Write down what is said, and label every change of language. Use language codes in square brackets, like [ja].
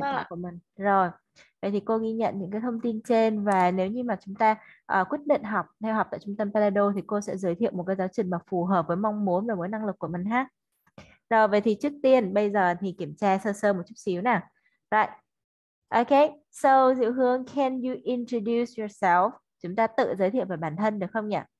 [vi] Vâng tại ạ. của mình. Rồi. Vậy thì cô ghi nhận những cái thông tin trên và nếu như mà chúng ta quyết định học theo học tại trung tâm Palado thì cô sẽ giới thiệu một cái giáo trình mà phù hợp với mong muốn và với năng lực của mình ha. Rồi, vậy thì trước tiên bây giờ thì kiểm tra sơ sơ một chút xíu nào. [en] Right. Okay, so Diệu Hương, can you introduce yourself? [vi] Chúng ta tự giới thiệu về bản thân được không nhỉ?